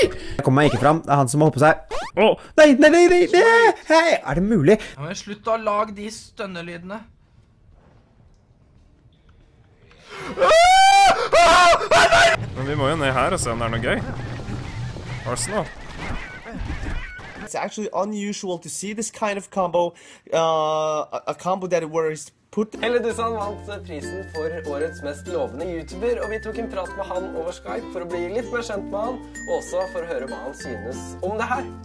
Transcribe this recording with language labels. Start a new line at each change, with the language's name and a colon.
Norwegian: Jeg kommer meg ikke fram. Det er han som må hoppe seg. Åh! Nei, nei, nei, nei, nei! Hei! Er det mulig? Ja, men slutt å lage de stønnelydene. Men vi må jo ned her og se om det er noe gøy. Arsenal.
English: It's actually unusual to see this kind of combo. A combo that it worries.
Norwegian: Helle Dussan vant prisen for årets mest lovende YouTuber, og vi tok en prat med han over Skype for å bli litt mer kjent med han, og også for å høre hva han synes om det her.